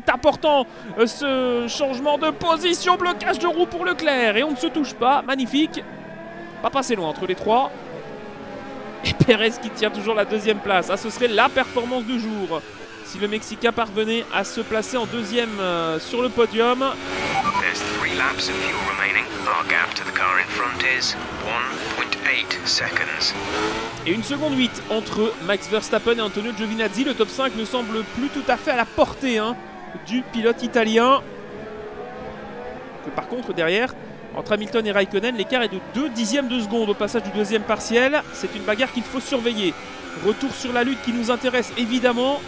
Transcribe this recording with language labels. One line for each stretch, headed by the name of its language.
French: C'est important ce changement de position. Blocage de roue pour Leclerc. Et on ne se touche pas. Magnifique. Pas passé loin entre les trois. Et Perez qui tient toujours la deuxième place. Ah, ce serait la performance du jour si le Mexicain parvenait à se placer en deuxième sur le podium.
English: There's 3 laps of fuel remaining. Our gap to the car in front is 1.8 seconds.
French: Et 1,8 seconde entre Max Verstappen et Antonio Giovinazzi. Le top 5 ne semble plus tout à fait à la portée hein, du pilote italien. Que par contre, derrière, entre Hamilton et Raikkonen, l'écart est de 2 dixièmes de seconde au passage du deuxième partiel. C'est une bagarre qu'il faut surveiller. Retour sur la lutte qui nous intéresse évidemment.